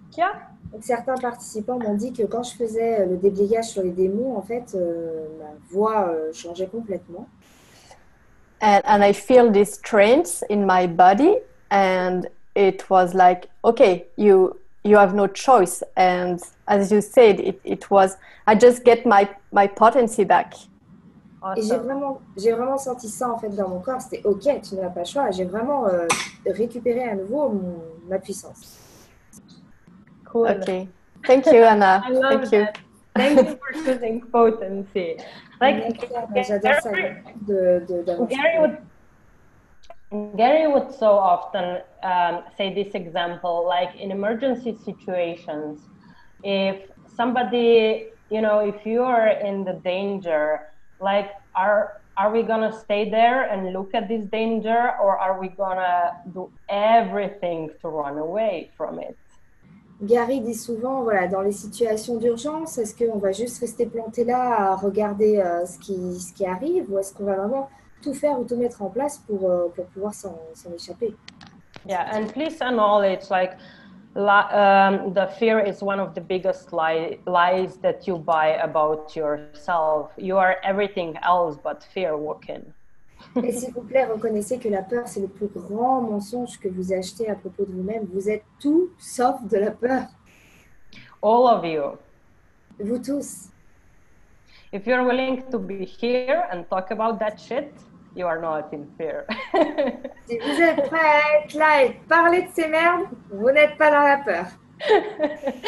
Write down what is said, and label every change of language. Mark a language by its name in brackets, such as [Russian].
[English] Yeah. [French] Donc, certains participants m'ont dit que quand je faisais le déblayage sur les démons, en fait, ma voix changeait complètement. [English] And I feel this trance in my body, and it was like, okay, you have no choice. And as you said, it was, I just get my potency back. [French] Awesome. Et j'ai vraiment senti ça en fait dans mon corps. C'était okay, tu n'as pas le choix. J'ai vraiment récupéré à nouveau ma puissance. [English] Cool. Okay. Thank you, Anna. I love that. Thank you for choosing potency. Like Gary would so often say this example, like in emergency situations, if somebody, you know, if you are in the danger, like are we gonna stay there and look at this danger, or are we gonna do everything to run away from it? [French] Gary dit souvent, voilà, dans les situations d'urgence, est-ce qu'on va juste rester planté là à regarder ce qui arrive, ou est-ce qu'on va vraiment tout faire ou tout mettre en place pour pouvoir s'en échapper? [English] Yeah, and please acknowledge, like, the fear is one of the biggest lies that you buy about yourself. You are everything else but fear walking. [French] Et s'il vous plaît, reconnaissez que la peur, c'est le plus grand mensonge que vous achetez à propos de vous-même. Vous êtes tout sauf de la peur. [English] All of you. [French] Vous tous. [English] If you're willing to be here and talk about that shit, you are not in fear. [French] Si vous êtes prêts à être là et parler de ces merdes, vous n'êtes pas dans la peur.